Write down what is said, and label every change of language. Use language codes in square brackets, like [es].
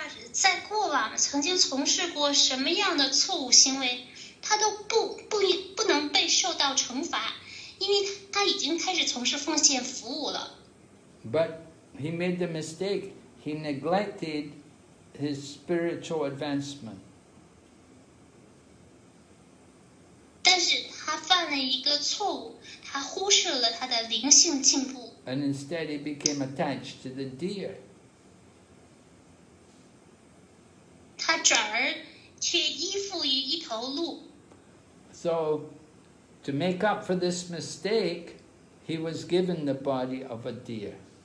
[zh] 在过往曾经从事过什么样的错误行为，他都不能被受到惩罚，因为他已经开始从事奉献服务了。 [en] But he made the mistake. He neglected his spiritual advancement. [zh] 但是他犯了一个错误，他忽视了他的灵性进步。 [en] And instead, he became attached to the deer. [zh] 他转而却依附于一头鹿。 [en] So, to make up for this mistake, he was given the body of a deer.